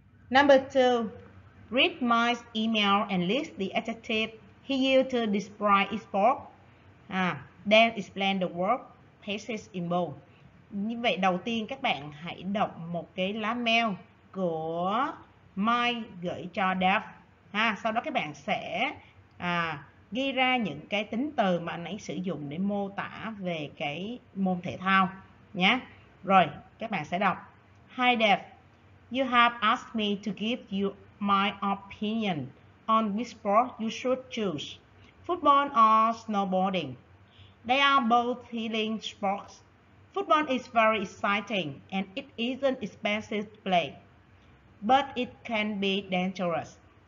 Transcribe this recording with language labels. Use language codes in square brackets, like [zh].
[en] Number 2, read Mike's email and list the adjective he used to describe his work. Then explain the work pieces in bold. [vi] Như vậy đầu tiên các bạn hãy đọc một cái lá mail của Mike gửi cho Dave. Sau đó các bạn sẽ ghi ra những cái tính từ mà anh ấy sử dụng để mô tả về cái môn thể thao nhé. Rồi, các bạn sẽ đọc. [en] Hi Dave, you have asked me to give you my opinion on which sport you should choose, football or snowboarding. They are both healing sports. Football is very exciting and it isn't expensive to play, but it can be dangerous.